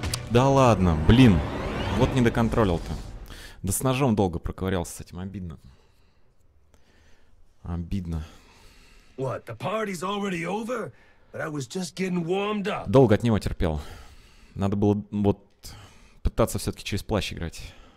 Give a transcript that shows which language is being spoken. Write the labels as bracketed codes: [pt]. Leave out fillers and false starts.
[ru] Да ладно, блин. Вот не доконтролил-то. Да с ножом долго проковырялся с этим, обидно. Обидно. [en] What, the party's already over? But I was just getting warmed up. [ru] Долго от него терпел. Надо было вот пытаться все-таки через плащ играть.